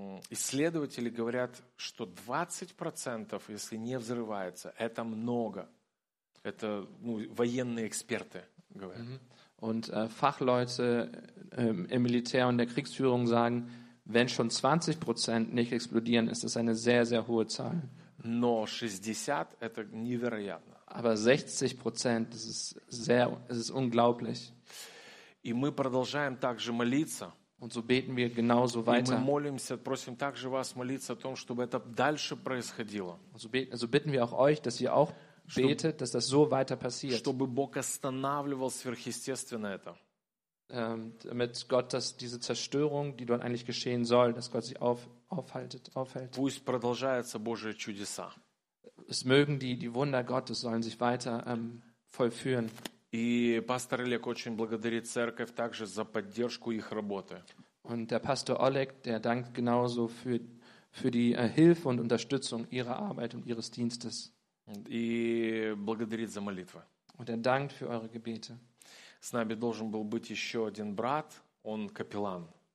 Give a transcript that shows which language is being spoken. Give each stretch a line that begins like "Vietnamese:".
Russian: Исследователи говорят, что 20%, если не взрывается, это много. Это, ну, военные эксперты говорят.
German: Und Fachleute im Militär und der Kriegsführung sagen, wenn schon 20% nicht explodieren, ist das eine sehr, sehr hohe Zahl.
Russian: Но 60 – это невероятно.
German: Aber 60% – das ist sehr, es ist unglaublich.
Russian: И мы продолжаем также молиться.
German: Und so beten wir genauso weiter.
Russian: Мы молимся, просим также вас молиться о том, чтобы это дальше происходило.
German: So bitten wir auch euch, dass ihr auch betet, dass das so weiter passiert.
Russian: Чтобы Бог останавливал сверхъестественное это.
German: Damit Gott, dass diese Zerstörung, die dort eigentlich geschehen soll, dass Gott sie aufhält.
Russian: Пусть продолжаются Божьи чудеса.
German: Es mögen die Wunder Gottes sollen sich weiter vollführen.
Russian: И пастор Олег очень благодарит церковь также за поддержку их работы.
German: Und der Pastor Oleg, der dankt genauso für die Hilfe und Unterstützung ihrer Arbeit und ihres Dienstes.
Russian: И благодарит за молитвы.
German: Und er dankt für eure Gebete.
Russian: С нами должен был быть еще один брат, он капеллан.